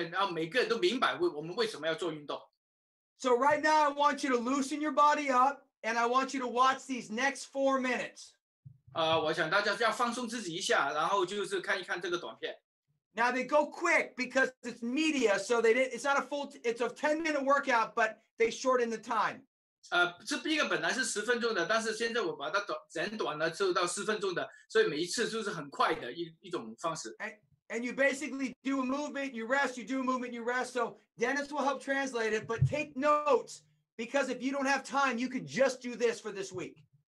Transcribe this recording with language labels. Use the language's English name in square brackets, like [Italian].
[Chinese] 一直在培训，然后每个人都明白为我们为什么要做运动。 [English] So right now I want you to loosen your body up and I want you to watch these next 4 minutes. [Chinese] 我想大家要放松自己一下，然后就是看一看这个短片。 [English] Now they go quick because it's media, so they didn't, it's not a full, it's a 10-minute workout, but they shorten the time. [Chinese] 这一个本来是10分钟的，但是现在我把它短，整短了，做到10分钟的，所以每一次就是很快的一种方式。 [English] And you basically do a movement, you rest, you do a movement, you rest. So Dennis will help translate it, but take notes, because if you don't have time, you could just do this for this week.